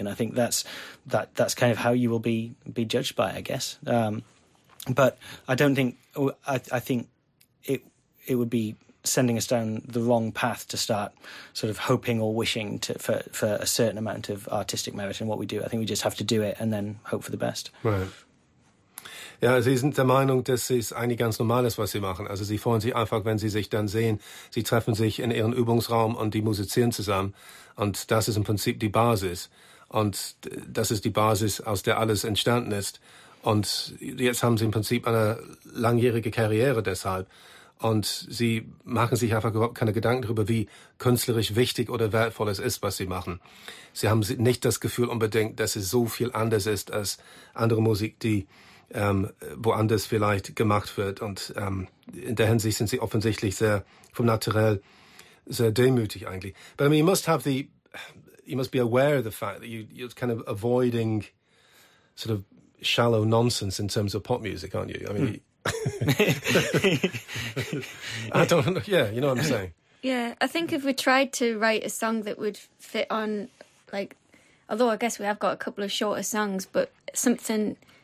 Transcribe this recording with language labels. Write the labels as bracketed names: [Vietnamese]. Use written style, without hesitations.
[English] And I think that's kind of how you will be judged by, I guess. But I don't think I think it would be sending us down the wrong path to start sort of hoping or wishing for a certain amount of artistic merit in what we do. I think we just have to do it and then hope for the best. [German] Right. Ja, Sie sind der Meinung, dass es eigentlich ganz normal ist, was Sie machen. Also Sie freuen sich einfach, wenn Sie sich dann sehen. Sie treffen sich in Ihren Übungsraum und die musizieren zusammen. Und das ist im Prinzip die Basis. Und das ist die Basis, aus der alles entstanden ist. Und jetzt haben Sie im Prinzip eine langjährige Karriere deshalb. Und Sie machen sich einfach überhaupt keine Gedanken darüber, wie künstlerisch wichtig oder wertvoll es ist, was Sie machen. Sie haben nicht das Gefühl unbedingt, dass es so viel anders ist als andere Musik, die woanders vielleicht gemacht wird. Und in der Hinsicht sind Sie offensichtlich sehr, vom Naturell, sehr demütig eigentlich. [English] But I mean, you must be aware of the fact that you're kind of avoiding sort of shallow nonsense in terms of pop music, aren't you? I mean... Mm. I don't know. Yeah, you know what I'm saying. Yeah, I think if we tried to write a song that would fit on, like, although I guess we have got a couple of shorter songs, but something